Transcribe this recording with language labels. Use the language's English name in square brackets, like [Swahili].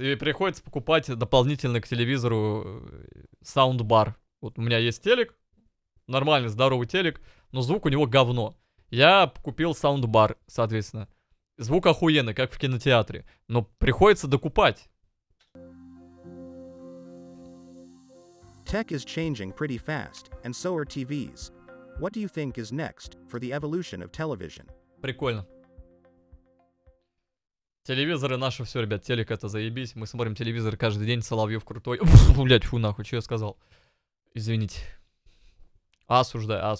[Russian] И приходится покупать дополнительно к телевизору саундбар. Вот у меня есть телек, нормальный, здоровый телек, но звук у него говно. Я купил саундбар, соответственно. Звук охуенный, как в кинотеатре. Но приходится докупать. [English] Tech is changing pretty fast, and so are TVs. What do you think is next for the evolution of television? [Russian] Прикольно. Телевизоры наши все, ребят. Телек это заебись. Мы смотрим телевизор каждый день. Соловьев крутой. Блять, фу нахуй, что я сказал? Извините. Осуждаю, осу.